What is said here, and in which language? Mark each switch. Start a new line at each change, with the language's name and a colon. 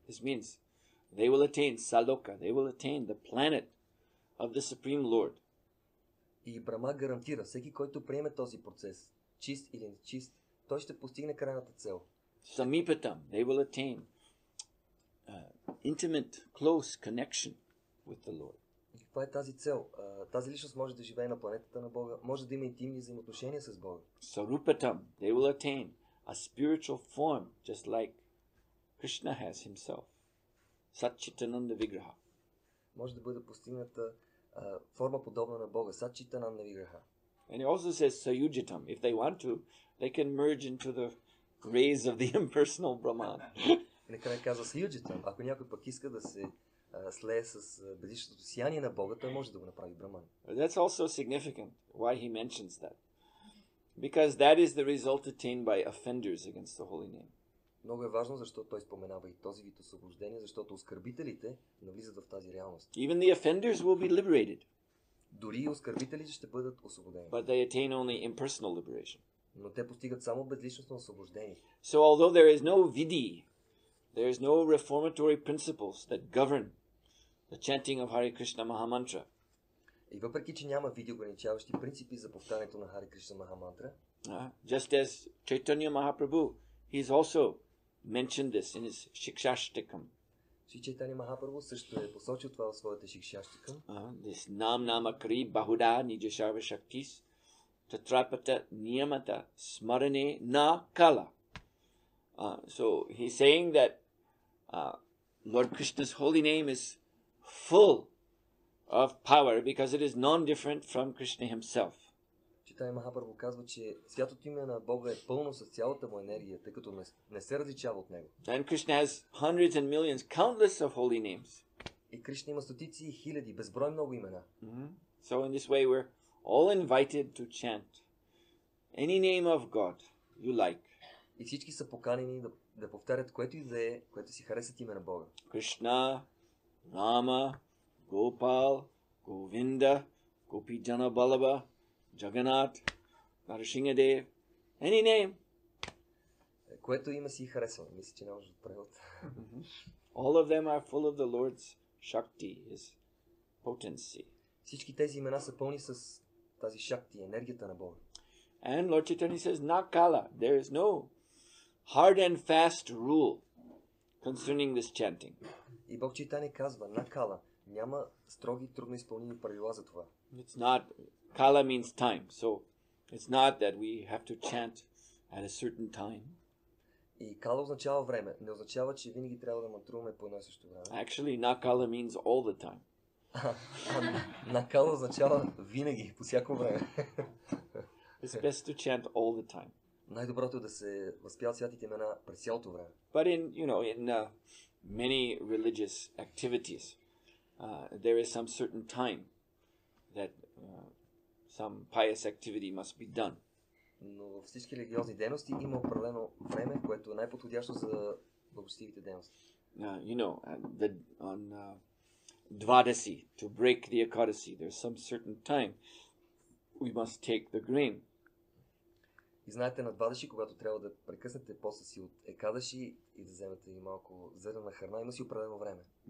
English: This means they will attain saloka, they will attain the planet of the Supreme Lord.
Bulgarian: И Брама гарантира, всеки, който приеме този процес, чист или нечист, той ще постигне крайната цел.
English: Samipatam, they will attain intimate, close connection with the Lord.
Bulgarian: Каква е тази цел? Тази личност може да живее на планетата на Бога, може да има интимни взаимоотношения с Бога.
English: Sarupatam, they will attain a spiritual form, just like Krishna has himself.
Sanskrit: Satchitananda Vigraha.
Bulgarian: Може да бъде постигната форма подобна на Бога, Satchitananda Vigraha.
English: And he also says Sayujitam. If they want to, they can merge into the rays of the impersonal Brahman.
Bulgarian: И накрая казва Сайюджитам. Ако някой пък иска да се слее с безличното сияние на Бога, той може да го направи Браман.
English: That's also significant why he mentions that. Because that is the result attained by offenders against the holy name.
Bulgarian: Много е важно, защото той споменава и този вид освобождение, защото оскърбителите навлизат в тази реалност.
English: Even the offenders will be liberated.
Bulgarian: Дори и оскърбителите ще бъдат освободени.
English: But they attain only impersonal liberation.
Bulgarian: Но те постигат само безличностно освобождение.
English: So although there is no vidhi, there is no reformatory principles that govern the chanting of Hare Krishna Mahamantra.
Bulgarian: И въпреки че няма види ограничаващи принципи за повтарянето на Hare Krishna Mahamantra,
English: just as Chaitanya Mahaprabhu, he is also mentioned this in his Shikshashtakam.
Bulgarian: Шри Чайтанья Махапрабху също е посочил това в своята Шикшаштикам.
Sanskrit: This nam namakri bahuda nija sarva shaktis tatrapata niyamata smarane na kala.
English: So he's saying that Lord Krishna's holy name is full of power because it is non-different from Krishna himself.
Bulgarian: Чайтанья Махапрабху казва, че святото име на Бога е пълно с цялата му енергия, тъй като не се различава от него.
English: And Krishna has hundreds and millions, countless of holy names.
Bulgarian: И Кришна има стотици и хиляди, безброй много имена.
English: So in this way we're all invited to chant any name of God you like.
Bulgarian: И всички са поканени да повтарят което и да е, което си харесат име на Бога. Кришна, Рама, Гопал, Говинда, Гопи Джана Балаба, Джаганат, Нарсингадев,
English: any name.
Bulgarian: което има си и харесва. Мисля, че не може да правил.
English: All of them are full of the Lord's Shakti, His potency.
Bulgarian: Всички тези имена са пълни с тази Шакти, енергията на Бога.
English: And Lord Chaitanya says, Nakala, there is no hard and fast rule concerning this chanting.
Bulgarian: И Бог Чайтанья казва, Накала, няма строги, трудно изпълними правила за това.
English: It's not, Kala means time, so it's not that we have to chant at a certain time.
Bulgarian: И Кала означава време, не означава, че винаги трябва да мантруваме по едно и също време.
English: Actually, Накала means all the time.
Bulgarian: Накала означава винаги, по всяко време.
English: It's best to chant all the time.
Bulgarian: Най-доброто е да се възпяват святите имена през цялото време.
English: But in, you know, in many religious activities, there is some certain time that some pious activity must be done.
Bulgarian: Но във всички религиозни дейности има определено време, което е най-подходящо за благочестивите дейности.
English: You know, on Dvadasi, to break the Ekadasi, there's some certain time we must take the grain.
Bulgarian: И знаете, на Двадеши, когато трябва да прекъснете поста си от Екадаши и да вземете и малко зелена храна, има си определено време.